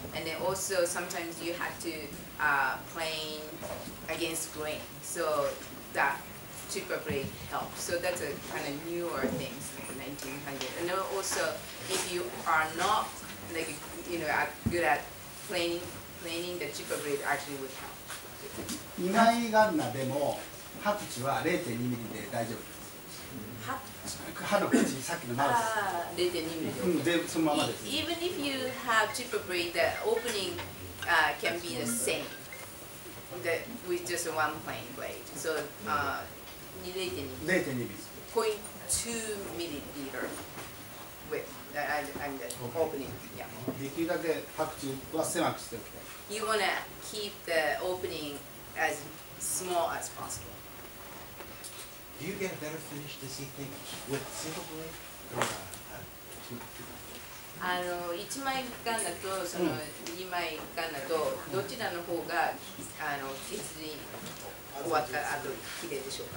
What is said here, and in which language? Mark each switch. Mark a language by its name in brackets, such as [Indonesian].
[English] And then also sometimes you had to plane against grain. So that chipper blade helps. So that's a kind of newer thing, like 1900. And then also if you are not like, you know, good at planing, the chipper blade actually would help. [Japanese] ハプチは 0.2 ミリで大丈夫です。ハプチ、さっきのマウス 0.2 ミリで、うん、そのままです。 [English] Even if you have chipper blade, the opening can be the same the, with just one plain blade. So 0.2 [Japanese] ミリ [English] 0.2 ミリ 0.2 ミリ width and the opening、yeah. [Japanese] できるだけハプチは狭くしておきたい。 [English] You wanna keep the opening as small as possible. Do you get a better finish, does he think, with single blade or two? [Japanese] あの、1枚ガンだとその2枚ガンだとどちらの方があの削り終わった後綺麗でしょうか。